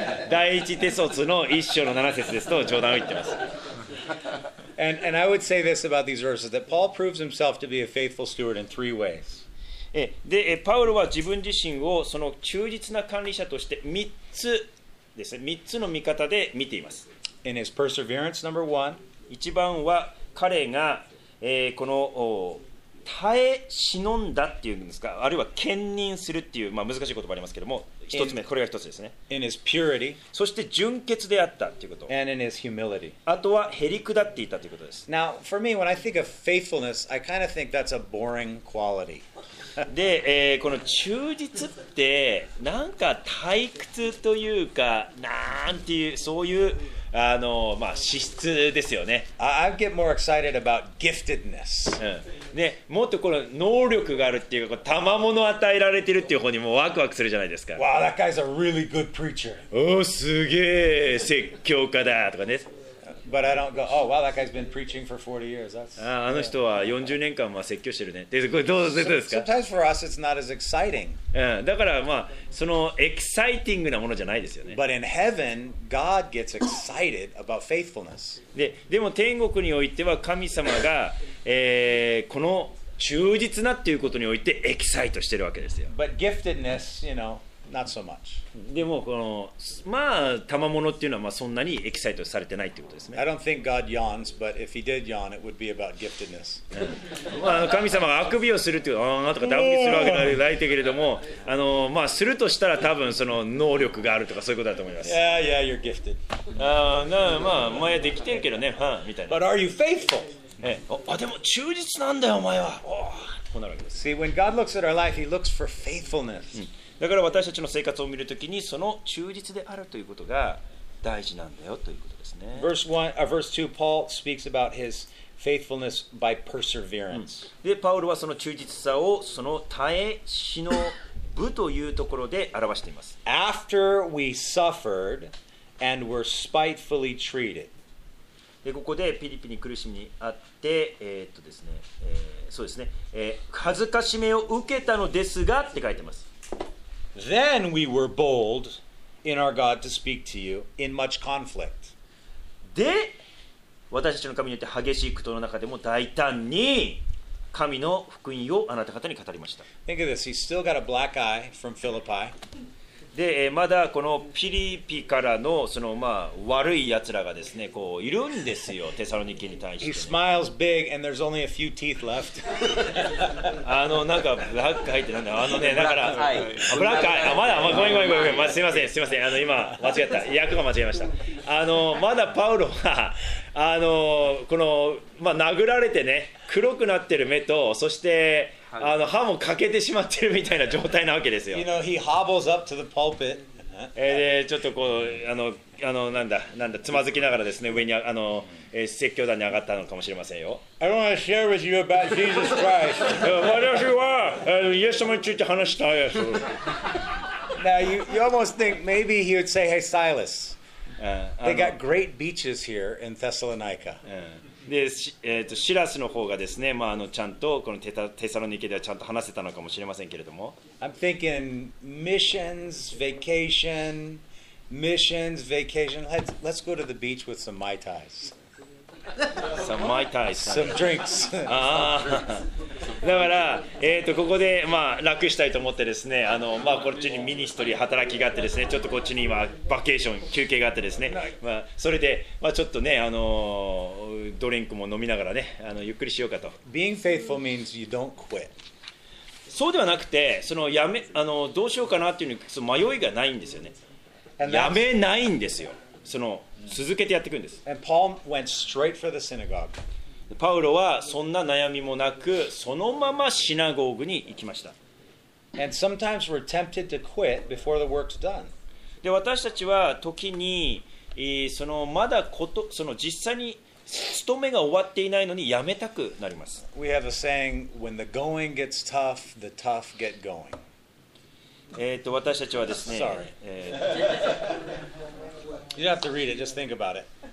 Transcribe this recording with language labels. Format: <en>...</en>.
<ja>第一テトスの一章の七節ですと冗談を言ってます。</ja> <en>And I would say this about these verses that Paul proves himself to be a faithful steward in three ways.</en> <ja>で、パウロは自分自身をその忠実な管理者として三つ。ですね、3つの見方で見ています。</ja> <en>In his perseverance, number one,</en> <ja>一番は彼が、この耐え忍んだっていうんですか、あるいは兼任するっていう、まあ、難しい言葉ありますけども、1つ目、これが1つですね。</ja> <en>In his purity,</en> <ja>そして純潔であったということ。</ja> <en>And in his humility.</en> <ja>あとはへりくだっていたということです。</ja> <en>Now, for me, when I think of faithfulness, I kind of think that's a boring quality.</en> <ja>で、この忠実ってなんか退屈というかなんていうそういうまあ、資質ですよね。</ja> <en>I get more excited about giftedness.</en> <ja>うん、ね、もっとこの能力があるっていうか、たまもの与えられてるっていう方にもワクワクするじゃないですか。</ja> <en>Wow, that guy's a really good preacher.</en> <ja>おお、すげえ説教家だとかね。</ja> <en>But I don't go. Oh, wow! That guy's been preaching for 40 years. That's.</en> <ja>Ah, あの人は40年間ま説教してるね。で、これどうですか</ja> <en>？Sometimes for us, it's not as exciting.</en> <ja>だからまあそのエキサイティングなものじゃないですよね。</ja> <en>But in heaven, God gets excited about faithfulness.</en> <ja>でも天国においては神様が、この忠実なっていうことにおいてエキサイトしてるわけですよ。</ja> <en>But giftedness, you know. Not so much.</en> <ja>でもこのまあ賜物っていうのはまあそんなにエキサイトされてないということですね。</ja> <en>I don't think God yawns, but if he did yawn, it would be about giftedness.</en> <ja>、まあ、神様があくびをするっていうあとかダブりするわけではないけれども、まあするとしたら多分その能力があるとかそういうことだと思います。</ja> <en>Yeah, yeah, you're gifted.</en> <ja>まあ前できてるけどね、はあ、みたいな。</ja> <en>But are you faithful?</en> <ja>あでも忠実なんだよお前は。こうなるわけです。</ja> <en>See, when God looks at our life, He looks for faithfulness.、</en> <ja>うんだから私たちの生活を見るときにその忠実であるということが大事なんだよということですね。</ja> <en>Verse 2, Paul speaks about his faithfulness by perseverance.、うん、</en> <ja>で、パウロはその忠実さをその耐え忍ぶというところで表しています。</ja> <en>After we suffered and were spitefully treated.</en> <ja>で、ここでピリピに苦しみにあって、ですね、そうですね、恥ずかしめを受けたのですがって書いてます。</ja> <en>Then we were bold in our God to speak to you in much conflict.</en> <ja>で、私たちの神によって激しい苦闘の中でも大胆に神の福音をあなた方に語りました。</ja> <en>Think of this. He's still got a black eye from Philippi.</en> <ja>で、まだこのピリピからのそのまあ悪い奴らがですね、こういるんですよ、テサロニケに対して、ね。</ja> <en>He smiles big and there's only a few teeth left.</en> <ja>なんかブラック入ってなんだ。だから、ブラック入って、まだ、ごめんごめんごめん、すいません、すいません、今、間違った。役が間違えました。まだパウロは、この、まあ、殴られてね、黒くなってる目と、そして、歯も欠けてしまってるみたいな状態なわけですよ。</ja> <en>You know, he hobbles up to the pulpit.</en> <ja>ちょっとこう、なんだ、つまずきながらですね、上に説教団に上がったのかもしれませんよ。</ja> <en>I want to share with you about Jesus Christ.</en> <ja>私は、イエス様について話したいです。</ja> <en>Now, you almost think maybe he would say, hey, Silas, they got great beaches here in Thessalonica.</en> <ja>でシラスの方がですね、まあ、ちゃんとこの テサロニケではちゃんと話せたのかもしれませんけれども。</ja> <en>I'm thinking missions, vacation, missions, vacation. Let's go to the beach with some Mai Tais. Some Mai Tais. Some drinks.</en> <ja>だから、ここで、まあ、楽したいと思ってですね、まあ、こっちにミニストリー働きがあってですね、ちょっとこっちに今、バケーション、休憩があってですね、まあ、それで、まあ、ちょっとね、ドリンクも飲みながらね、ゆっくりしようかと。</ja> <en>Being faithful means you don't quit.</en> <ja>そうではなくて、どうしようかなっていうのに迷いがないんですよね。やめないんですよ。その続けてやっていくんです。</ja> <en>And Paul went straight for the synagogue.</en> <ja>パウロはそんな悩みもなくそのままシナゴーグに行きました。</ja> <en>And sometimes we're tempted to quit before the work's done.</en> <ja>で私たちは時にそのまだことその実際に勤めが終わっていないのにやめたくなります。</ja> <en>We have a saying, when the going gets tough, the tough get going.</en> <ja>私たちはですね、</ja> <en>Sorry. You don't have to read it, just think about it.</en>